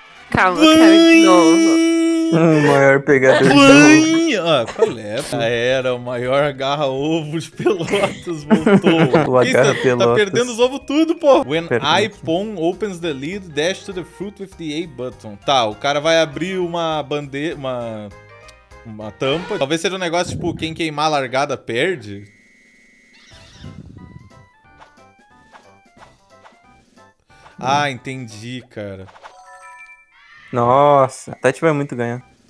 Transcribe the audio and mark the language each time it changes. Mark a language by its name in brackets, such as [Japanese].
[Portuguese] Calma, eu quero de novo. Maior pegador do jogo. Ah, qual é? Já era, o maior agarra-ovo de Pelotas voltou. O agarra-pelotas. Tá perdendo os ovos tudo, pô. [English] When Ipon opens the lid, dash to the fruit with the A button. [Portuguese] Tá, o cara vai abrir uma bandeira, uma tampa. Talvez seja um negócio tipo, quem queimar a largada perde. Ah, entendi, cara. Nossa, a Tati vai muito ganhar.